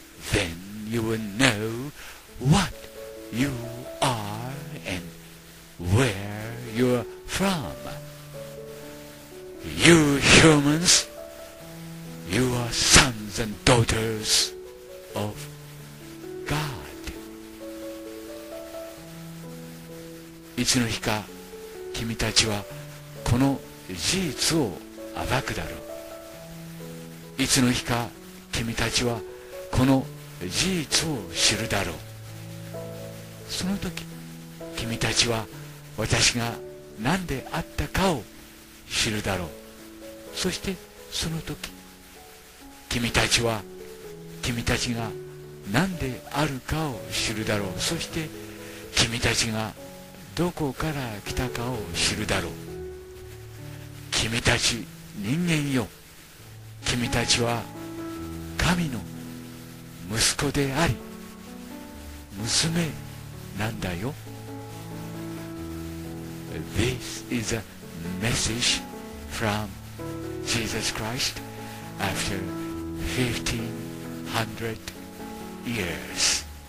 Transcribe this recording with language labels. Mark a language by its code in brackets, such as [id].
[en] Then you will know what you are and where you're from. You humans, you are sons and daughters of God. [ja] 一の日か、君たちはこの事実を暴くだろう。いつの日か、君たちはこの事実を知るだろう。その時、君たちは私が何であったかを知るだろう。そしてその時、君たちは君たちが何であるかを知るだろう。そして君たちがどこから来たかを知るだろう。君たち人間よ、君たちは神の息子であり娘なんだよ。 [en] This is a message from Jesus Christ after 1500 years.